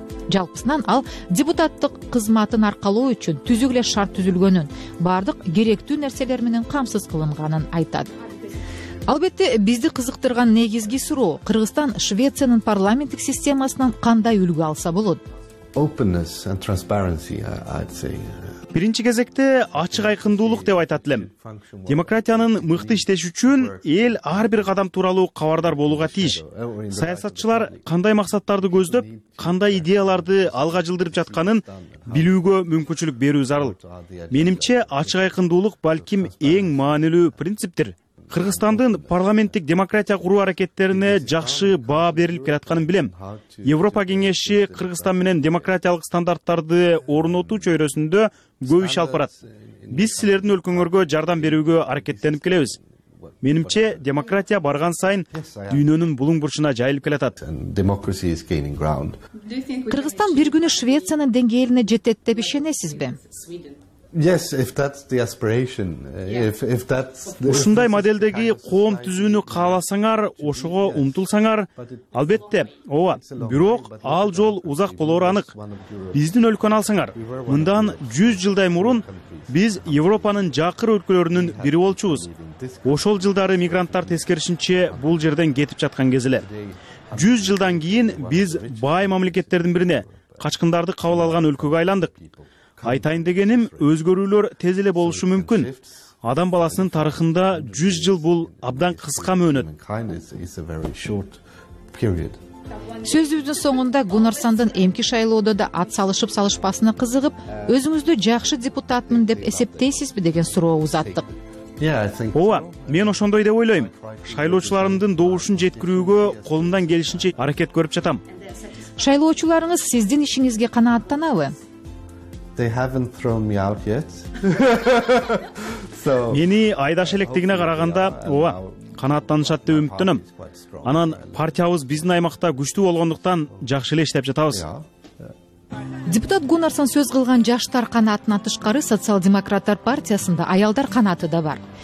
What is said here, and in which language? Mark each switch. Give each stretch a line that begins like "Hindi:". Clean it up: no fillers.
Kyrgyz: Жалпысынан ал депутаттык кызматын аркалоо үчүн түзүк эле шарт түзүлгөнүн, бардык керектүү нерселер менен камсыз кылынганын айтат. Албетте, бизди кызыктырган негизги суроо Кыргызстан Швециянын парламенттик системасынан кандай үлгү алса болот?
English: Openness and transparency, I'd say.
Kyrgyz: Биринчи кезекте ачык айкындуулук деп айтат элем. Демократиянын мыкты иштеши үчүн эл ар бир кадам тууралуу кабардар болууга тийиш. Саясатчылар кандай максаттарды көздөп, кандай идеяларды алга жылдырып жатканын билүүгө мүмкүнчүлүк берүү зарыл. Менимче, ачык айкындуулук балким эң маанилүү принциптир. Кыргызстандын парламенттик демократия куруу аракеттерине жакшы баа берилип келатканын билем. Европа кеңеши Кыргызстан менен демократиялык стандарттарды орнотуу чөйрөсүндө көп иш алып барат. Биз силердин өлкөңөргө жардам берүүгө аракеттенип келебиз. Менимче, демократия барган сайын дүйнөнүн булуң бурчуна жайылып келатат. Кыргызстан бир күнү Швециянын деңгээлине жетет деп ишенесизби?
English: Yes, if that's the aspiration, if that's the...
Kyrgyz: Ушундай моделдеги коом түзүүнү кааласаңар, ошого умтулсаңар, албетте, ооба, бирок ал жол узак болоору анык. Биздин өлкөнү алсаңар, мындан 100 жылдай мурун биз Европанын жакыр өлкөлөрүнүн бири болчубуз. Ошол жылдары мигранттар тескерисинче бул жерден кетип жаткан кез эле. 100 жылдан кийин биз бай мамлекеттердин бирине, качкындарды кабыл алган өлкөгө айландык. Айтайын дегеним, өзгөрүүлөр тез эле болушу мүмкүн. Адам баласынын тарыхында 100 жыл бул абдан кыска мөөнөт. Сөзүбүздүн соңунда Гунарсандын эмки шайлоодо да ат салышып салышпасына кызыгып, өзүңүздү жакшы депутатмын деп эсептейсизби деген суроо узаттык. Ооба, мен ошондой деп ойлойм. Шайлоочуларымдын добушун жеткирүүгө колумдан келишинче аракет көрүп жатам. Шайлоочуларыңыз сиздин ишиңизге канааттанабы?
English: They haven't thrown me out yet.
Kyrgyz: So, мени айдаш электигине караганда, ооба, канааттанышат деп үмүттөнөм. Анан партиябыз биздин аймакта күчтүү болгондуктан жакшы эле иштеп жатабыз. Депутат Гунарсан сөз кылган жаштар канаатынан тышкары социал-демократтар партиясында аялдар канааты да бар.